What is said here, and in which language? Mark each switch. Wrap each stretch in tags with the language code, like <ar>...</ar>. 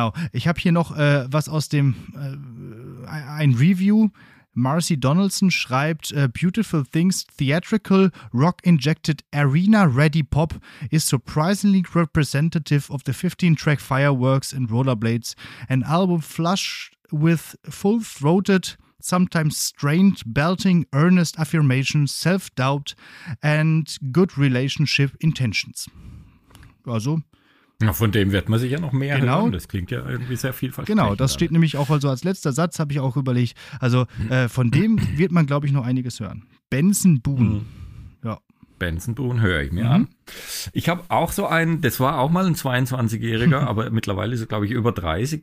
<de>Ich habe hier noch was aus dem ein Review.</de> <en>Marcy Donaldson</en> <de>schreibt,</de> <en>Beautiful Things, theatrical, rock-injected, arena-ready pop is surprisingly representative of the 15-track Fireworks and Rollerblades, an album flush with full-throated, sometimes strained, belting, earnest affirmations, self-doubt and good relationship intentions.</en> <de>Also, von dem wird man sich ja noch mehr hören. Das klingt ja irgendwie sehr vielversprechend. Genau, das steht nämlich auch also als letzter Satz, habe ich auch überlegt. Also von dem wird man, glaube ich, noch einiges hören. Benson Boone. Mhm. Ja. Benson Boone höre ich mir an. Ich habe auch so einen, das war auch mal ein 22-Jähriger, aber mittlerweile ist er, glaube ich, über 30.</de>